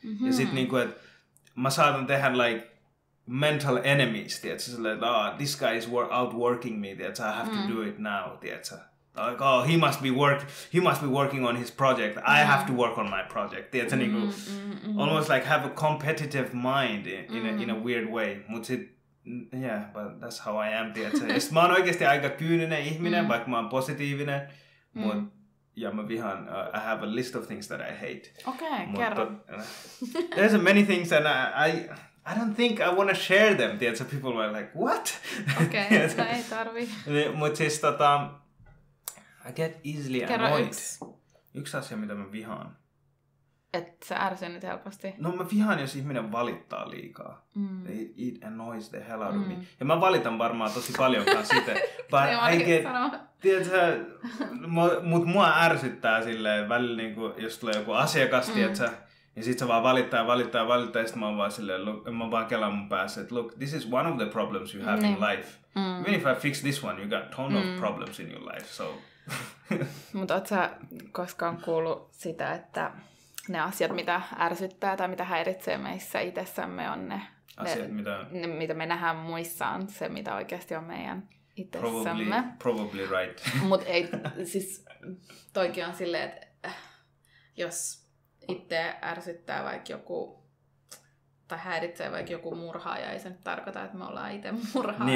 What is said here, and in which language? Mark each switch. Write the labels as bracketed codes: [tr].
[fi] Ja sit niinku, et mä saatan tehdä [en] like mental enemies, [fi] tiedätkö? Sille, että [en] this guy is outworking me, [fi] tiedätkö? [en] I have to do it now, [fi] tiedätkö? [en] Like, oh, he must be working on his project. I have to work on my project, [fi] tiedätkö? Niinku, [en] almost like have a competitive mind in a weird way. [fi] Mut sit, [en] yeah, but that's how I am, [fi] tiedätkö? Mä oon oikeesti aika kyyninen ihminen, vaikka mä oon positiivinen, mut ja mä vihaan, [en] I have a list of things that I hate. [fi] Okay, mutta, kerro. [en] There's many things and I don't think I want to share them. [fi] Tiedätkö, [en] people are like, what? [fi] Okay, ei tarvi. Mutta siis [en] I get easily annoyed. [fi] Yksi asia, mitä mä vihaan. Että sä ärsynyt helposti. No mä vihaan, jos ihminen valittaa liikaa. Mm. [en] It annoys the hell out of me. [fi] Ja mä valitan varmaan tosi paljonkaan sitä. [en] But I get, [fi] tiedätkö, mut mua ärsyttää silleen välillä, niin kuin, jos tulee joku asiakas, tiedätkö, ja sit se vaan valittaa, ja sit mä vaan kelaan mun päässä, että [en] look, this is one of the problems you have in life. Even if I fix this one, you got ton of problems in your life, so. [fi] Mut oot sä koskaan kuullut sitä, että ne asiat, mitä ärsyttää tai mitä häiritsee meissä itsessämme, on ne asiat, mitä... mitä me nähdään muissaan, se, mitä oikeasti on meidän itsessämme. [en] Probably right. [fi] Mutta ei, siis toikin on silleen, että jos itse ärsyttää vaikka joku, tai häiritsee vaikka joku murhaaja, ei se nyt tarkoita, että me ollaan itse murhaajia.